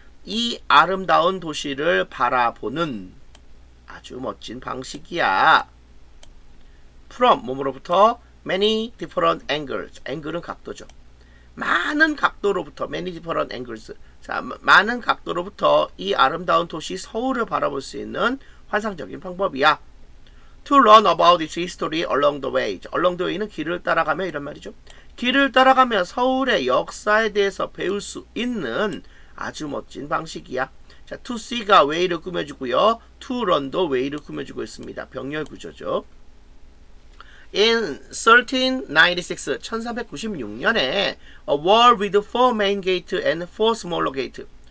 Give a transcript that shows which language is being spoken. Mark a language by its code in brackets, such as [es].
[ko] 이 아름다운 도시를 바라보는 아주 멋진 방식이야. [en] From 몸으로부터 many different angles. Angle은 각도죠. [ko] 많은 각도로부터 [en] many different angles. [ko] 자, 많은 각도로부터 이 아름다운 도시 서울을 바라볼 수 있는 환상적인 방법이야. [en] To learn about its history along the way. [ko] Along the way는 길을 따라가며 이런 말이죠. 길을 따라가며 서울의 역사에 대해서 배울 수 있는 아주 멋진 방식이야. 자, to see가 way를 꾸며주고요. To learn도 way를 꾸며주고 있습니다. 병렬 구조죠. [en] In 1396, [ko] 1396년에 [en] a wall with 4 main gate and 4 smaller gate.